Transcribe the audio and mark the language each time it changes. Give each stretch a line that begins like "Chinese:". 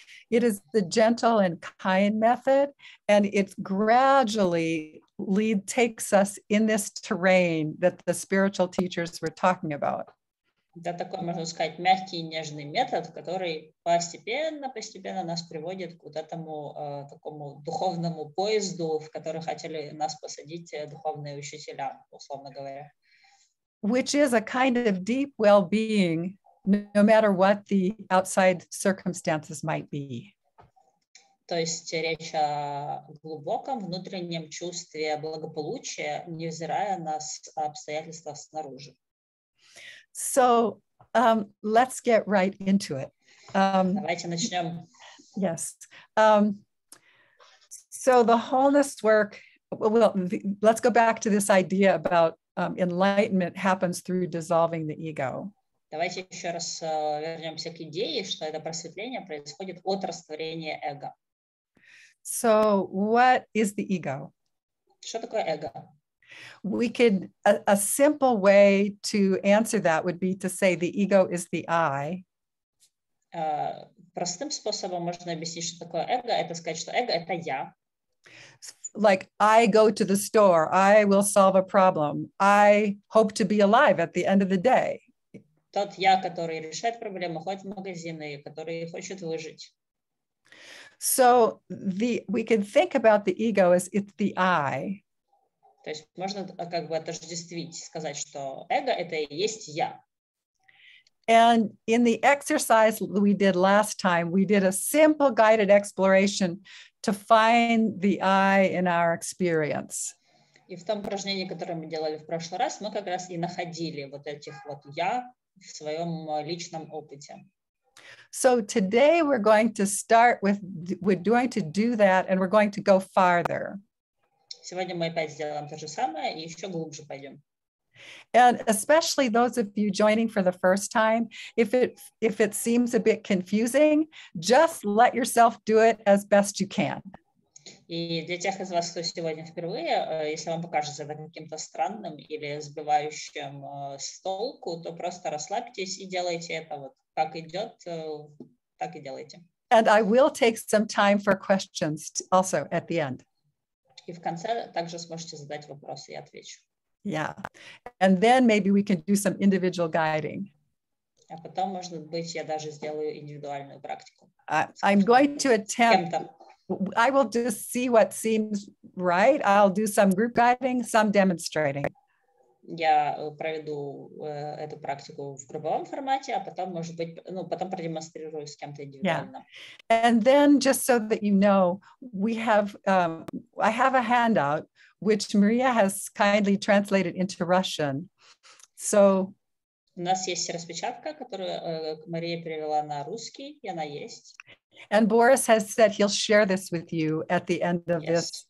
English: It is the gentle and kind method, and it gradually takes us in this terrain that the spiritual teachers were talking about.
Russian: Это такой, можно сказать, мягкий и нежный метод, который постепенно нас приводит к вот этому такому духовному поезду, в который хотели нас посадить духовные учителя, условно говоря.
English: Which is a kind of deep well-being, no matter what the outside circumstances might be.
Russian: То есть речь о глубоком внутреннем чувстве благополучия, невзирая на обстоятельства снаружи.
English: So let's get right into it.
Russian: Давайте начнем.
English: Yes. So the wholeness work, let's go back to this idea about enlightenment happens through dissolving the ego.
Russian: Давайте еще раз вернемся к идее, что это просветление происходит от растворения эго.
English: So what is the ego?
Russian: Что такое эго?
English: We could, a simple way to answer that would be to say the ego is the I.
Russian: Простым способом можно объяснить, что такое эго, это сказать, что эго — это я.
English: Like, I go to the store, I will solve a problem, I hope to be alive at the end of the day.
Russian: Тот я, который решает проблемы, ходит в магазины, который хочет выжить.
English: So the we can think about the ego as it's the I.
Russian: То есть можно как бы отождествить, сказать, что эго — это и есть я.
English: And in the exercise we did last time, we did a simple guided exploration to find the I in our experience.
Russian: И в том упражнении, которое мы делали в прошлый раз, мы как раз и находили вот этих вот я в своем личном опыте.
English: So today we're going to start with, we're going to do that and we're going to go farther.
Russian: Сегодня мы опять сделаем то же самое и еще глубже пойдем.
English: And especially those of you joining for the first time, if it seems a bit confusing, just let yourself do it as best you can.
Russian: И для тех из вас, кто сегодня впервые, если вам покажется это каким-то странным или сбивающим с толку, то просто расслабьтесь и делайте это вот как идет, так и делайте.
English: And I will take some time for questions also at the end.
Russian: И в конце также сможете задать вопросы, я отвечу.
English: Yeah. And then maybe we can do some individual guiding.
Russian: А потом, может быть, я даже сделаю индивидуальную практику.
English: I'm going to attempt. I will just see what seems right. I'll do some group guiding, some demonstrating.
Russian: Я проведу эту практику в групповом формате, а потом, может быть, потом продемонстрирую с кем-то индивидуально.
English: Yeah. And then, just so that you know, we have, I have a handout, which Maria has kindly translated into Russian. So,
Russian: у нас есть распечатка, которую Мария перевела на русский, и она есть.
English: And Boris has said he'll share this with you at the end of yes.